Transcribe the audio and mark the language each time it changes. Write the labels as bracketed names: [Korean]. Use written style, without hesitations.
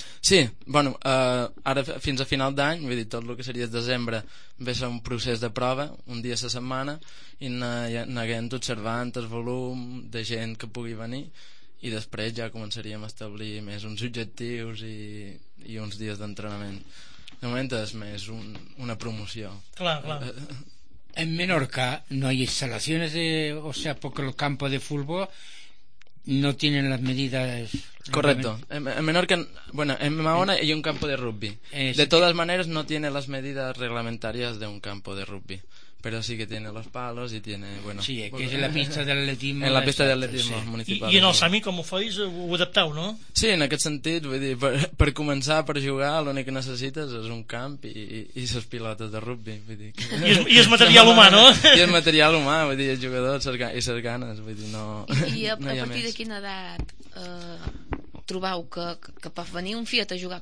[Catalan] Sí, bueno, ara fins a final d'any, vull dir, tot el que seria desembre ve ser un procés de prova, un dia a la setmana, i anaguem observant el volum de gent que pugui venir, i després ja començaríem a establir més uns objectius i uns dies d'entrenament. De moment és més una promoció. Clar, clar. [Spanish] En Menorca no hay instalaciones de, o sea, porque el campo de fútbol no tienen las medidas. Correcto. En Menorca, bueno, en Mahona hay un campo de rugby. De todas maneras no tiene las medidas reglamentarias de un campo de rugby, pero sí que tiene los palos y tiene, bueno. Sí, que es la pista del atletismo. En la pista del atletismo, sí. Municipal. [Catalan] Y en el Sami, com ho feis, ho adapteu, no? Sí, en aquest sentit, vull dir, per començar, per jugar, l'únic que necessites és un camp i les pilotes de rugby, vull dir. I és material humà, no? I és material humà, vull dir, els jugadors i les ganes, vull dir, no. I a partir de quina edat trobeu que pot venir un fiat a jugar?